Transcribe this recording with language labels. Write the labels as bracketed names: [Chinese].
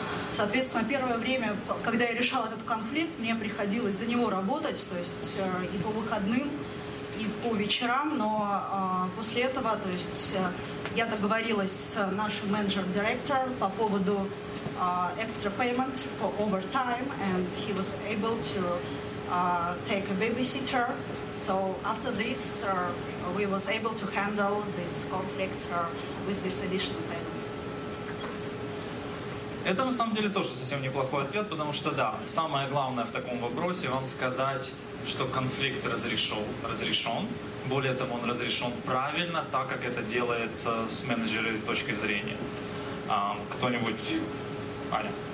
[Russian] Соответственно, первое время, когда я решала этот конфликт, мне приходилось за него работать, то есть и по выходным, и по вечерам, но после этого, то есть я договорилась с нашим менеджером-директором по поводу [English] extra payment for overtime, and he was able to take a babysitter. So after this, we was able to handle this conflict with this additional payment. [Russian] Это на самом деле тоже совсем неплохой ответ, потому что да, самое главное в таком вопросе вам сказать, что конфликт разрешен. Более того, он разрешен правильно, так как это делается с менеджерской точки зрения. Кто-нибудь? Аня.